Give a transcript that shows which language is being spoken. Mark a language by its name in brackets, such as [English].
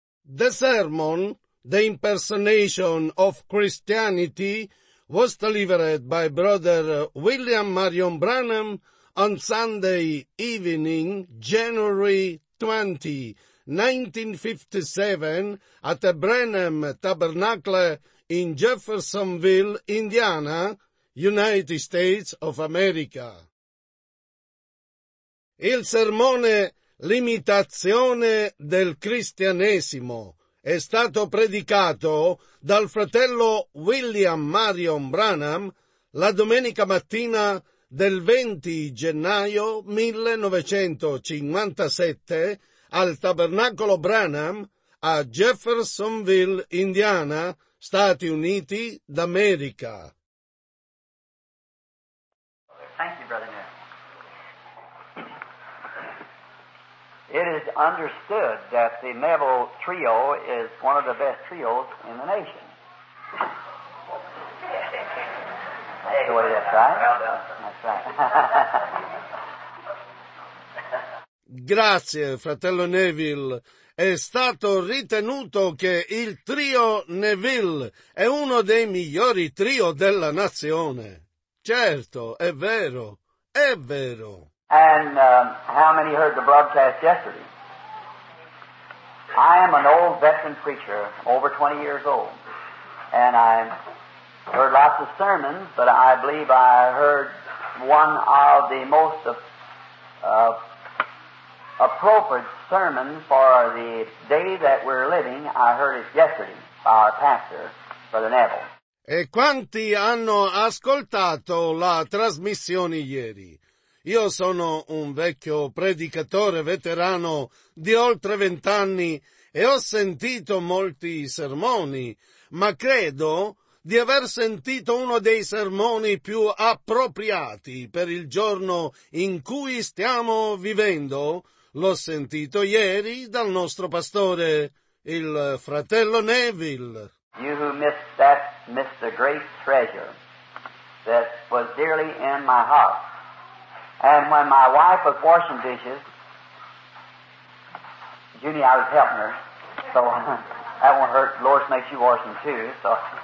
[English] The sermon, The Impersonation of Christianity, was delivered by Brother William Marion Branham on Sunday evening, January 20, 1957, at the Branham Tabernacle in Jeffersonville, Indiana, United States of America. [Italian] Il sermone L'imitazione del cristianesimo è stato predicato dal fratello William Marion Branham la domenica mattina del 20 gennaio 1957 al Tabernacolo Branham a Jeffersonville, Indiana, Stati Uniti d'America. [English] It is understood that the Neville Trio is one of the best trios in the nation. That's the way that's right. Well done. That's right. [Italian] Grazie, fratello Neville. È stato ritenuto che il trio Neville è uno dei migliori trio della nazione. Certo, è vero. È vero. [English] And how many heard the broadcast yesterday? I am an old veteran preacher, over 20 years old, and I heard lots of sermons, but I believe I heard one of the most appropriate sermons for the day that we're living. I heard it yesterday by our pastor, Brother Neville. [Italian] E quanti hanno ascoltato la trasmissione ieri? Io sono un vecchio predicatore veterano di oltre 20 anni e ho sentito molti sermoni, ma credo di aver sentito uno dei sermoni più appropriati per il giorno in cui stiamo vivendo. L'ho sentito ieri dal nostro pastore, il fratello Neville. [English] You who missed that, missed the great treasure that was dearly in my heart. And when my wife was washing dishes, Junie, I was helping her, so that won't hurt. Lord makes you wash them too, so.